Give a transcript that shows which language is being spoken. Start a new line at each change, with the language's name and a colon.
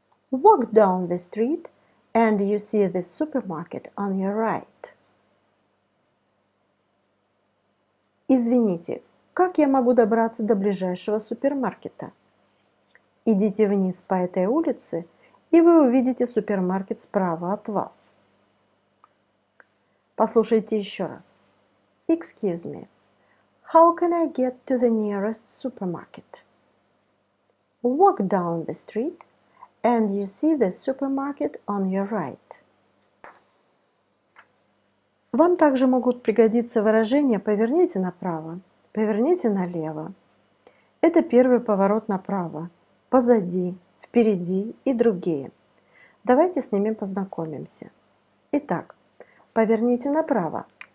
English: Walk down the street and you see the supermarket on your right.
Russian: Извините, как я могу добраться до ближайшего супермаркета? Идите вниз по этой улице, и вы увидите супермаркет справа от вас. Послушайте еще раз.
English: Excuse me. How can I get to the nearest supermarket? Walk down the street. And you see the supermarket on your right.
Russian: Вам также могут пригодиться выражения «поверните направо», «поверните налево». Это первый поворот направо, позади, впереди и другие. Давайте с ними познакомимся. Итак, «поверните направо».